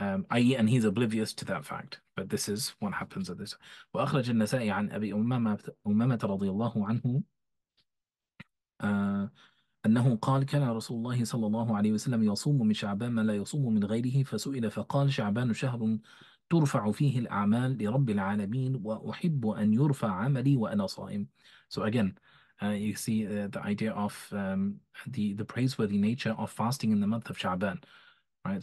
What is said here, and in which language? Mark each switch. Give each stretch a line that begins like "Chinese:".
English: I.e., and he's oblivious to that fact, but this is what happens at this.
Arabic: وَأَخْرَجَ النَّسَاءِ عَنْ أَبِي أُمَامَةَ رَضِيَ اللَّهُ عَنْهُ أنه قال كان رسول الله صلى الله عليه وسلم يصوم من شعبان ما لا يصوم من غيره فسئل فقال شعبان شهر ترفع فيه الأعمال لرب العالمين وأحب أن يرفع عملي وأنا صائم.
English: So again, you see the idea of the praiseworthy nature of fasting in the month of Sha'ban, right?